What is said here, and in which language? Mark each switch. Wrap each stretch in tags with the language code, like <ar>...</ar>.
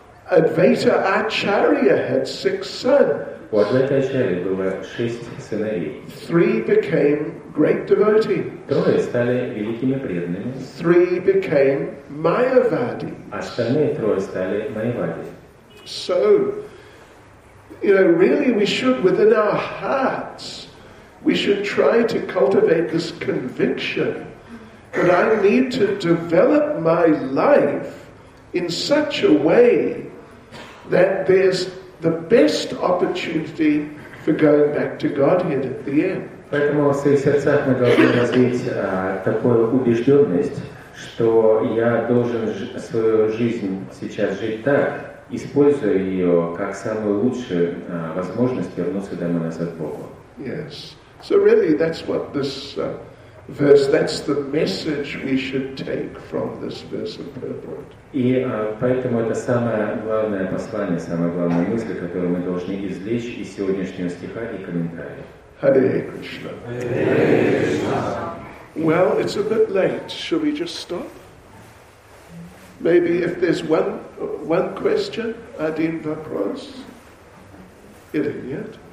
<en>Advaita Acharya had six sons.</en> <ru>У Адвайта Ачарьи было шесть сыновей.</ru> <en>Three became great devotees.</en> <ru>Трое стали великими преданными.</ru> <en>Three became Mayavadi.</en> <ru>Остальные трое стали Майявади.</ru> <en>So, you know, really we should, within our hearts, we should try to cultivate this conviction that I need to develop my life in such a way that there's the best opportunity for going back to Godhead at the end.</en> <ru>Поэтому в своих сердцах мы должны развить такую убежденность, что я должен свою жизнь сейчас жить так, используя ее как самую лучшую возможность вернуться домой назад к Богу.</ru> <en>Yes. So really, that's what this verse. That's the message we should take from this verse of purport.</en> <ru>И поэтому это самое главное послание, самая главная мысль, которую мы должны извлечь из сегодняшнего стиха и комментария.</ru> <en>Hare Krishna. Well, it's a bit late. Shall we just stop? Maybe if there's one question,</en> <ru>один вопрос. Или нет?</ru>